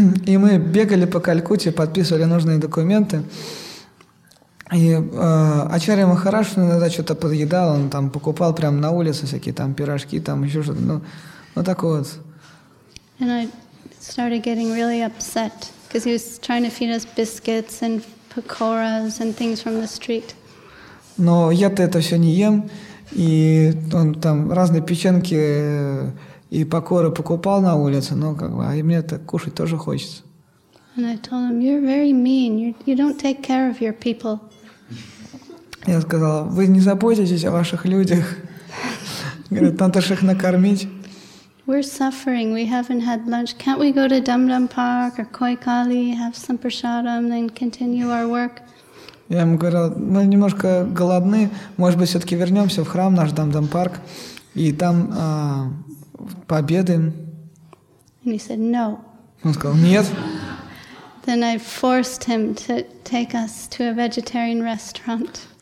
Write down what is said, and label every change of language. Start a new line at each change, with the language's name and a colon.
Russian: И мы бегали по Калькутте, подписывали нужные документы. И Ачарья Махарадж иногда что-то подъедал, он там покупал прямо на улице всякие там пирожки, там еще что-то. Вот так вот.
English: And I started getting really upset because he was trying to feed us biscuits and pakoras and things from the street.
Russian: Но я-то это все не ем, и он там разные печенки и пакоры покупал на улице, но как бы, а мне это кушать тоже хочется.
English: And I told him, you're very mean. You don't take care of your people.
Russian: Я сказала, вы не заботитесь о ваших людях. Говорит, надо же их накормить.
English: We're suffering. We haven't had lunch. Can't we go to Dum Dum Park or Koi Kali, have some prasadam, then continue our work?
Russian: Я ему говорила, мы немножко голодны. Может быть, все-таки вернемся в храм наш Дам Дам Парк, и там победы.
English: And he said, no.
Russian: Он сказал, нет.
English: Then I forced him to take us to a vegetarian restaurant.